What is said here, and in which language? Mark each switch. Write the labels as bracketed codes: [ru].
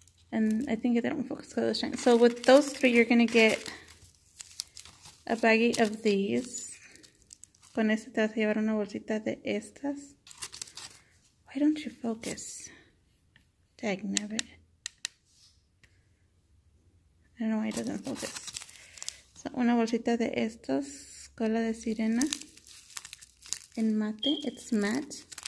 [en] And I think it don't focus because of the shine. So with those three, you're going to get a baggie of these. [es] Con este te vas a llevar una bolsita de estas. [en] Why don't you focus? Dagnabbit. I don't know why it doesn't focus. [es] So, una bolsita de estas. Cola de sirena. En mate. [en] It's matte.